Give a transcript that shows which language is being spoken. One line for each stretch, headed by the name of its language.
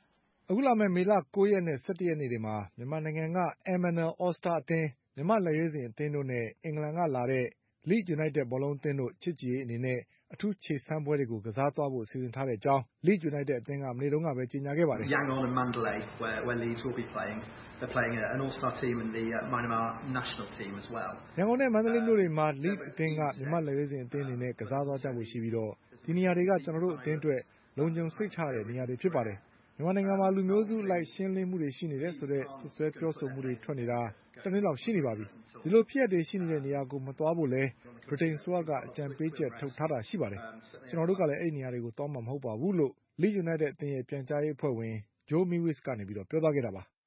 Burmese: ။အခုလာမယ့်မေလ9ရက်နဲ့10ရက်နေ့တွေမှာမြန်မာနိုင်ငံက MNL All-Star အသင်းမြန်မာလက်ရေးစင်အသင်းတို့နဲ့အင်္ဂလန်ကလာတဲ့ Leeds United ဘောလုံးအသင်းတို့ချစ်ကြည်အနေနဲ့အထူးခြေစမ်းပွဲတွေကိုကစားသွားဖို့စီစဉ်ထားတဲ့အကြောင်း Leeds United အသင်းကမနေ့တုန်းကပဲကြေညာခဲ့ပါတယ်
English: Yangon and Mandalay where Leeds will be playing they're playing an all-star team and the Myanmar national team as well
Burmese: Yangon နဲ့ Mandalay တို့တွေမှာ Leeds အသင်းကမြန်မာလက်ရေးစင်အသင်းအနေနဲ့ကစားသွားကြဖို့ရှိပြီးတော့ဒီနေရာတွေကကျွန်တော်တို့အသင်းအတွက်လုံခြုံစိတ်ချတဲ့နေရာတွေဖြစ်ပါတယ်မြန်မာနိုင်ငံမှာလူမျိုးစုလိုက်ရှင်းလင်းမှုတွေရှိနေတဲ့ဆိုတော့ဆွဆွဲပြောဆိုမှုတွေထွက်နေတာတနည်းတော့ရှိနေပါပြီဒီလိုဖြစ်ရတဲ့ရှိနေတဲ့နေရာကိုမသွားဖို့လဲဗြိတိန်ဆိုတာကအကြံပေးချက်ထုတ်ထားတာရှိပါတယ်ကျွန်တော်တို့ကလည်းအဲ့နေရာတွေကိုသွားမှာမဟုတ်ပါဘူးလို့ Leeds United အသင်းရဲ့ပြန်ကြားရေးအဖွဲ့ဝင် Joe Mewis ကနေပြီးတော့ပြောသွားခဲ့တာပါ